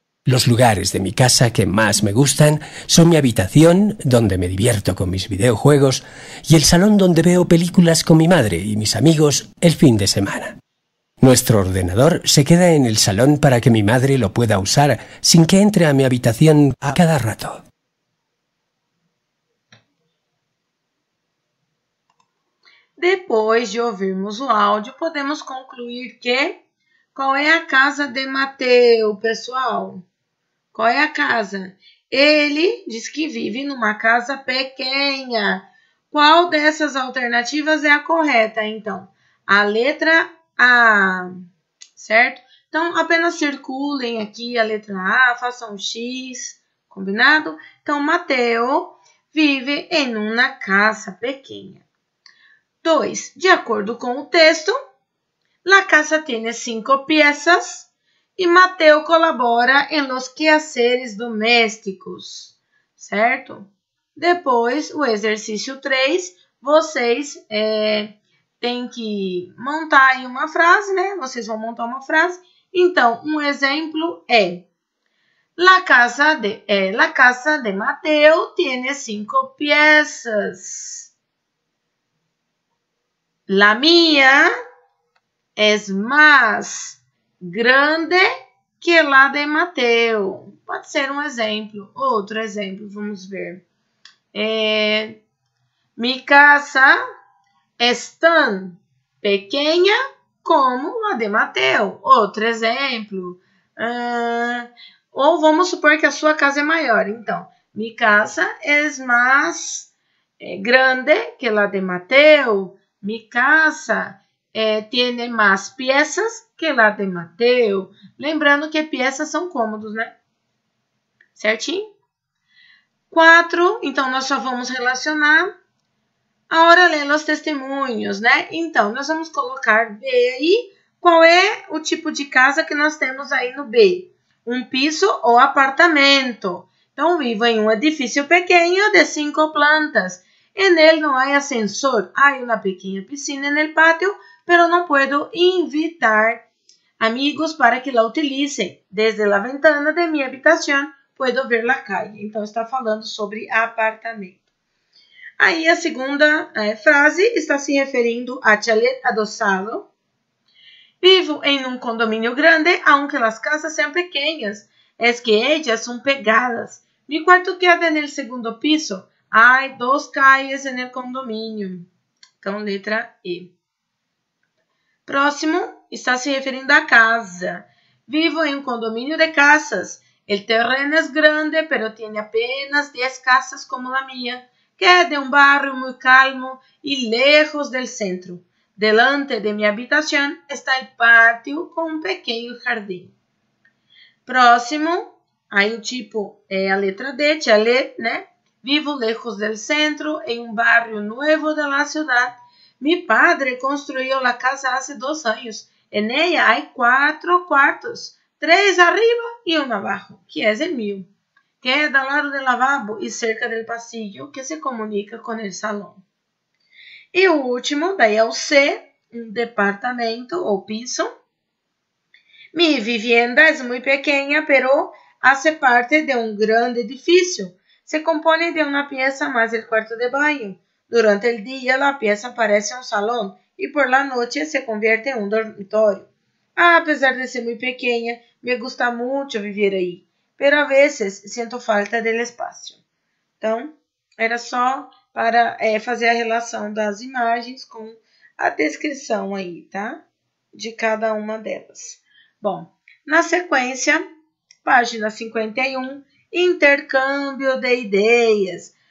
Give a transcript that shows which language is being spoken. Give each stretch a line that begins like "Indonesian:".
Spanish: Los lugares de mi casa que más me gustan son mi habitación, donde me divierto con mis videojuegos, y el salón donde veo películas con mi madre y mis amigos el fin de semana. Nuestro ordenador se queda en el salón para que mi madre lo pueda usar sin que entre a mi habitación a cada rato.
Portuguese: Depois de ouvirmos o áudio, podemos concluir que qual é a casa de Mateo, pessoal? Qual é a casa? Ele diz que vive numa casa pequena. Qual dessas alternativas é a correta, então? A letra A, certo? Então, apenas circulem aqui a letra A, façam um X, combinado? Então, Mateo vive em uma casa pequena. 2. De acordo com o texto,
Spanish: la casa tiene 5 piezas e Mateo colabora en los quehaceres domésticos, certo?
Portuguese: Depois, o exercício 3, vocês têm que montar aí uma frase, né? Vocês vão montar uma frase. Então, um exemplo é:
Spanish: La casa de Mateo tiene 5 piezas. La mía es más grande que la de Mateo.
Portuguese: Pode ser um exemplo. Outro exemplo, vamos ver.
Spanish: Mi casa es tan pequeña como la de Mateo.
Portuguese: Outro exemplo. Ou vamos supor que a sua casa é maior.
Spanish: Então, mi casa es más grande que la de Mateo. Mi casa tiene más piezas que la de Mateo.
Portuguese: Lembrando que piezas são cômodos, né? Certinho? 4. Então, nós só vamos relacionar. Agora, lendo os testemunhos, né? Então, nós vamos colocar B aí. Qual é o tipo de casa que nós temos aí no B? Um piso ou apartamento. Então, vivo em um edifício pequeno de 5 plantas.
Spanish: En él no hay ascensor. Hay una pequeña piscina en el patio, pero no puedo invitar amigos para que la utilicen. Desde la ventana de mi habitación puedo ver la calle.
Portuguese: Então, está falando sobre apartamento. Aí, a segunda frase está se referindo a chalet adosado. Vivo em um condomínio grande,
Spanish: aunque las casas sean pequeñas. Es que ellas son pegadas. Mi cuarto queda en el segundo piso. Hay dos calles en el condominio.
Portuguese: Então, letra E. Próximo, está se referindo à casa. Vivo em um condomínio de casas.
Spanish: El terreno es grande, pero tiene apenas 10 casas como la mía. Queda en un barrio muy calmo y lejos del centro. Delante de mi habitación está el patio con un pequeño jardín.
Portuguese: Próximo, aí o tipo é a letra D, chalet, né?
Spanish: Vivo lejos del centro, en un barrio nuevo de la ciudad. Mi padre construyó la casa hace 2 años. En ella hay 4 cuartos, 3 arriba y 1 abajo, que es el mío. Queda al lado del lavabo y cerca del pasillo que se comunica con el salón.
Portuguese: E o último, daí é o C, um departamento ou piso.
Spanish: Mi vivienda es muy pequeña, pero hace parte de un grande edificio. Se compone de una pieza más el cuarto de baño. Durante el día, la pieza parece un salón y por la noche se convierte en un dormitorio. Apesar de ser muy pequeña, me gusta mucho vivir ahí, pero a veces siento falta del espacio.
Portuguese: Então, era só para fazer a relação das imagens com a descrição aí, tá? De cada uma delas. Bom, na sequência, página 51, intercâmbio de ideias.